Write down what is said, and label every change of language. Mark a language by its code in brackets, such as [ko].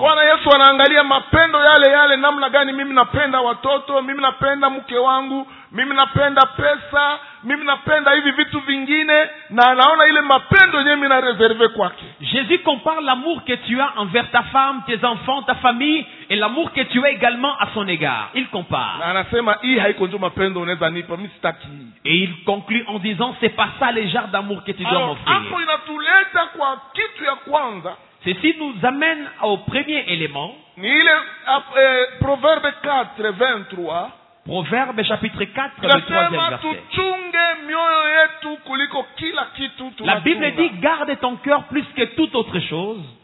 [sw] Bwana Yesu anaangalia mapendo yale yale namna gani mimi napenda watoto, mimi napenda mke wangu, mimi napenda pesa, mimi napenda hivi vitu vingine na naona ile mapendo yenyewe mimi na reserve kwake. [fr] Jésus compare l'amour que tu as envers ta femme, tes enfants, ta famille et l'amour que tu as également à son égard. Il compare. [sw] Na anasema hii haiko ndio mapendo unaweza nipa mimi sitaki. [fr] Et il conclut en disant c'est pas ça le genre d'amour que tu dois m'offrir. [sw] Hapo inatuleta kwa kitu ya kwanza. [fr] Ceci nous amène au premier élément. [sw] Ni ile Proverbe 4 23. [fr] Proverbe chapitre 4 le 3e verset. [sw] Tuchunge mioyo yetu kuliko kila kitu tunachunga. [fr] La Bible dit garde ton cœur plus que toute autre chose.